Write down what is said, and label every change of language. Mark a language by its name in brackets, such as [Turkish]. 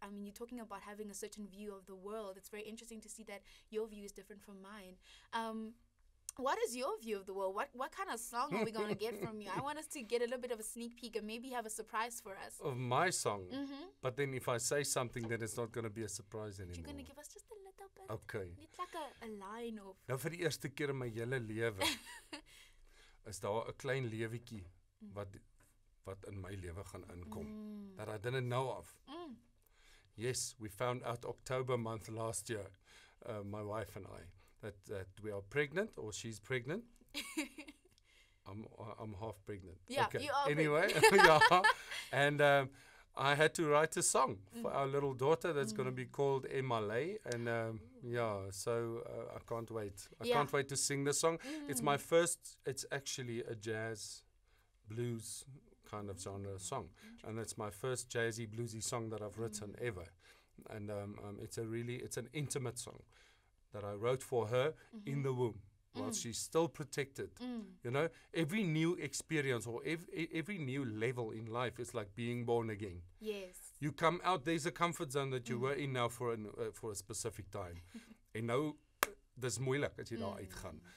[English] I mean, you're talking about having a certain view of the world. It's very interesting to see that your view is different from mine. What is your view of the world? What kind of song are we going to get from you? I want us to get a little bit of a sneak peek and maybe have a surprise for us. Of my song? Mm-hmm. But then if I say something, then it's not going to be a surprise anymore. You're going to give us just a little bit. Okay. Not like a line of... [Afrikaans] Nou, vir die eerste keer in my hele lewe, is daar 'n klein lewetjie wat in my lewe gaan inkom. [English] That I didn't know of. Yes, we found out October month last year, my wife and I, that we are pregnant, or she's pregnant. I'm half pregnant. Yeah, okay. You are. Anyway, yeah. And I had to write a song for our little daughter that's going to be called Emale. And I can't wait. Can't wait to sing the song. It's my first, it's actually a jazz blues kind of genre song. And it's my first jazzy bluesy song that I've written ever. And it's an intimate song that I wrote for her in the womb, while she's still protected. You know, every new experience or every new level in life is like being born again. Yes. You come out, there's a comfort zone that you were in now for a specific time. And now, [Afrikaans] dis moeilik as jy daar uitgaan.